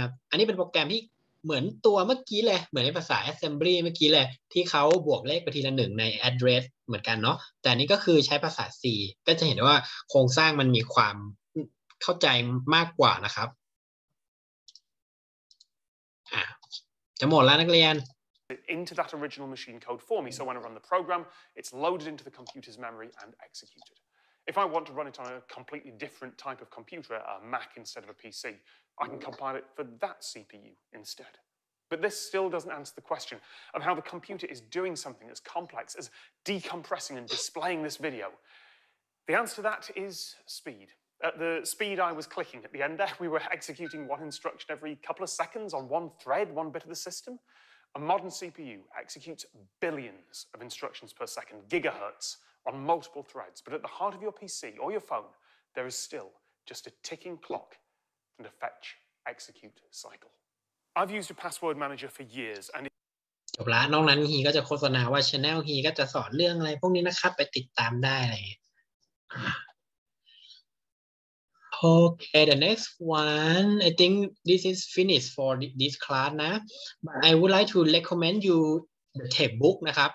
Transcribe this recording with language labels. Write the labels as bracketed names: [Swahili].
[Thai] อันนี้เป็นโปรแกรมที่เหมือนตัวเมื่อกี้เลยเหมือนในภาษา assembly เมื่อกี้เลยที่เขาบวกเลขไปทีละ1ใน address เหมือนกันเนาะแต่นี้ก็คือใช้ภาษา C ก็จะเห็นว่าโครงสร้างมันมีความเข้าใจมากกว่านะครับจะหมดแล้วนักเรียน [English] into that original machine code for me so when I run the program it's loaded into the computer's memory and executed if I want to run it on a completely different type of computer a Mac instead of a PC I can compile it for that CPU instead but this still doesn't answer the question of how the computer is doing something as complex as decompressing and displaying this video The answer to that is speed. At the speed I was clicking at the end there, we were executing one instruction every couple of seconds on one thread, one bit of the system. A modern CPU executes billions of instructions per second, gigahertz, on multiple threads. But at the heart of your PC or your phone, there is still just a ticking clock and a fetch execute cycle. I've used a password manager for years and [Thai] จบละนอกนั้นฮีก็จะโฆษณาว่า channel ฮีก็จะสอนเรื่องอะไรพวกนี้นะครับไปติดตามได้เลย [English] Okay, the next one, I think this is finished for this class, nah. But I would like to recommend you the tape book, nah, krab.